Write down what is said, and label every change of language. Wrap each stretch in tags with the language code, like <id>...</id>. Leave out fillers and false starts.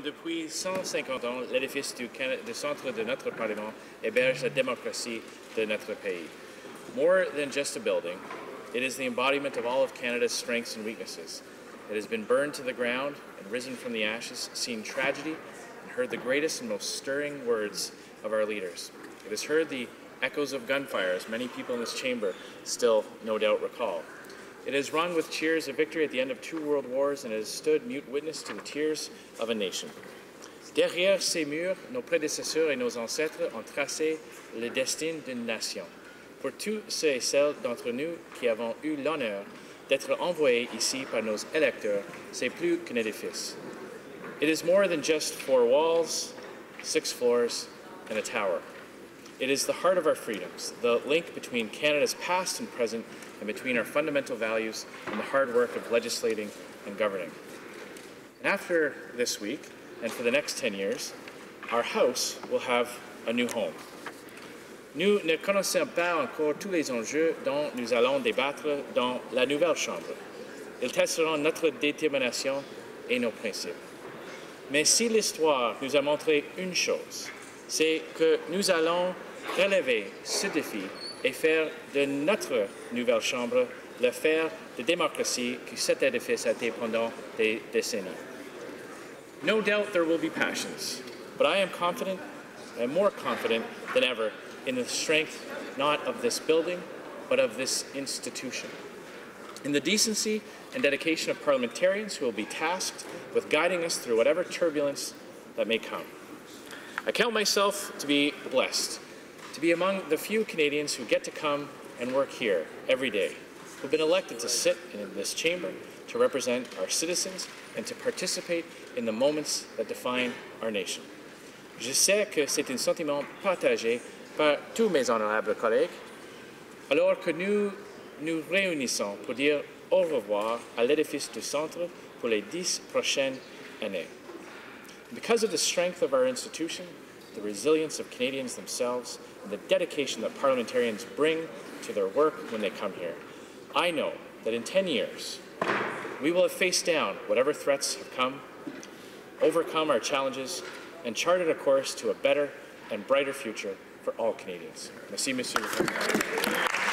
<fr>Depuis 150 ans, l'édifice du centre de notre Parlement héberge la démocratie de notre pays.</fr> <en>More than just a building, it is the embodiment of all of Canada's strengths and weaknesses. It has been burned to the ground and risen from the ashes, seen tragedy, and heard the greatest and most stirring words of our leaders. It has heard the echoes of gunfire, as many people in this chamber still no doubt recall. It has rung with cheers of victory at the end of two world wars, and it has stood mute witness to the tears of a nation.</en> <fr>Derrière ces murs, nos prédécesseurs et nos ancêtres ont tracé le destin d'une nation. Pour tous ceux et celles d'entre nous qui avons eu l'honneur d'être envoyés ici par nos électeurs, c'est plus qu'un édifice.</fr> <en>It is more than just four walls, six floors, and a tower. It is the heart of our freedoms, the link between Canada's past and present, and between our fundamental values and the hard work of legislating and governing. And after this week, and for the next 10 years, our house will have a new home.</en> <fr>Nous ne connaissons pas encore tous les enjeux dont nous allons débattre dans la nouvelle Chambre. Ils testeront notre détermination et nos principes. Mais si l'histoire nous a montré une chose, c'est que nous allons relever ce défi et faire de notre nouvelle Chambre le fer de démocratie que cet édifice a été pendant des décennies.</fr> <en>No doubt there will be passions, but I am confident, and more confident than ever, in the strength not of this building, but of this institution. In the decency and dedication of parliamentarians who will be tasked with guiding us through whatever turbulence that may come. I count myself to be blessed to be among the few Canadians who get to come and work here every day, who've been elected to sit in this chamber to represent our citizens and to participate in the moments that define our nation.</en> <fr>Je sais que c'est un sentiment partagé par tous mes honorables collègues, alors que nous nous réunissons pour dire au revoir à l'édifice du centre pour les 10 prochaines années.</fr> <en>Because of the strength of our institution, the resilience of Canadians themselves, and the dedication that parliamentarians bring to their work when they come here, I know that in 10 years, we will have faced down whatever threats have come, overcome our challenges, and charted a course to a better and brighter future for all Canadians.</en> <fr>Merci, Monsieur le Président.</fr>